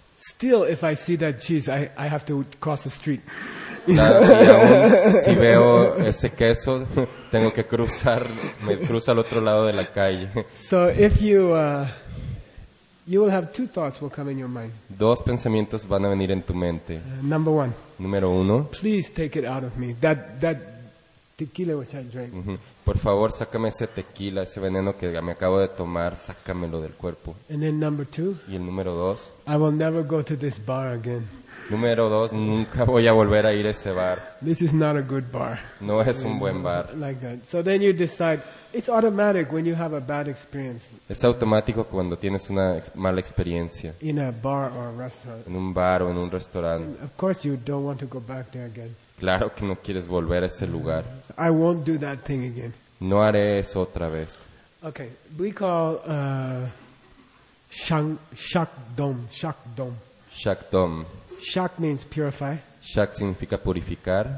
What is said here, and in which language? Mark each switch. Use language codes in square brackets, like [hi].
[en] Still, if I see that cheese, I have to cross the street. [es] Si veo ese queso, tengo que cruzar, me cruzo al otro lado de la calle. [en] So if you will have two thoughts will come in your mind. [es] Dos pensamientos van a venir en tu mente. [en] Number one. [es] Número uno. [en] Please take it out of me. That tequila which I drank. [es] Por favor, sácame ese tequila, ese veneno que me acabo de tomar, sácamelo del cuerpo. [en] And then number two, [es] y el número dos. [en] I will never go to this bar again. [es] Número dos, nunca voy a volver a ir a ese bar. [en] This is not a good bar. [es] No es un buen bar. [en] Like that. So then you decide, It's automatic when you have a bad experience. [es] Es automático cuando tienes una mala experiencia. [en] In a bar or a restaurant. [es] En un bar o en un restaurante. [en] Of course you don't want to go back there again. [es] Claro que no quieres volver a ese lugar. [en] I won't do that thing again. [es] No haré eso otra vez. [en] Okay, we call Shakdom. Shakdom. Shak means purify. [es] Shak significa purificar.